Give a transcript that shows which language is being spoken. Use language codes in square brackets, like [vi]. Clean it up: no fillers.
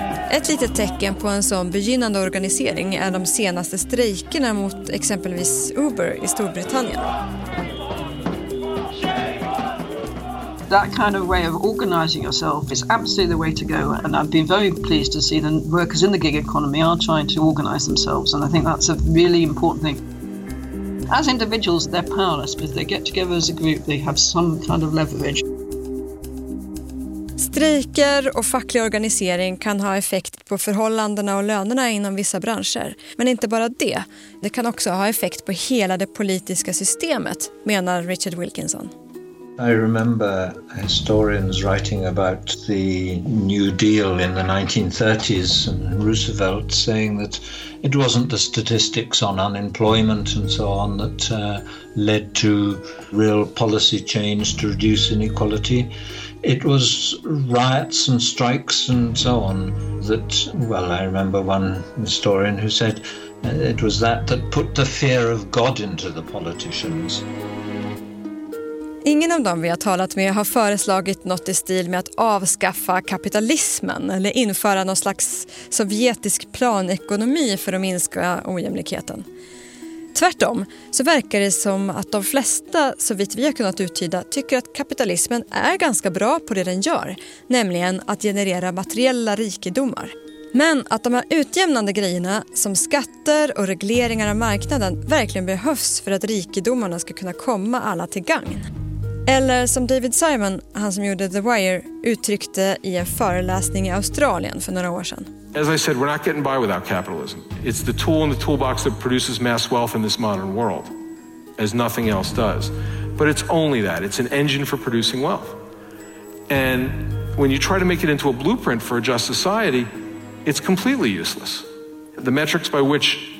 [sv] Ett litet tecken på en sån begynnande organisering är de senaste strejkerna mot exempelvis Uber i Storbritannien. [en] That kind of way of organizing yourself is absolutely the way to go, and I've been very pleased to see the workers in the gig economy are trying to organize themselves, and I think that's a really important thing. As individuals they're powerless, but they get together as a group they have some kind of leverage. [sv] Strejker och facklig organisering kan ha effekt på förhållandena och lönerna inom vissa branscher. Men inte bara det. Det kan också ha effekt på hela det politiska systemet, menar Richard Wilkinson. [en] I remember historians writing about the New Deal in the 1930s and Roosevelt saying that it wasn't the statistics on unemployment and so on that led to real policy change to reduce inequality. It was riots and strikes and so on that, well, I remember one historian who said it was that put the fear of God into the politicians. [sv] Ingen av dem vi har talat med har föreslagit något i stil med att avskaffa kapitalismen eller införa någon slags sovjetisk planekonomi för att minska ojämlikheten. Tvärtom så verkar det som att de flesta, så vitt vi har kunnat uttyda, tycker att kapitalismen är ganska bra på det den gör, nämligen att generera materiella rikedomar. Men att de här utjämnande grejerna, som skatter och regleringar av marknaden, verkligen behövs för att rikedomarna ska kunna komma alla till gagn. Eller som David Simon, han som gjorde The Wire, uttryckte i en föreläsning i Australien för några år sedan. [en] As I said, we're not getting by without capitalism. It's the tool in the toolbox that produces mass wealth in this modern world, as nothing else does. But it's only that. It's an engine for producing wealth. And when you try to make it into a blueprint for a just society, it's completely useless. The metrics by which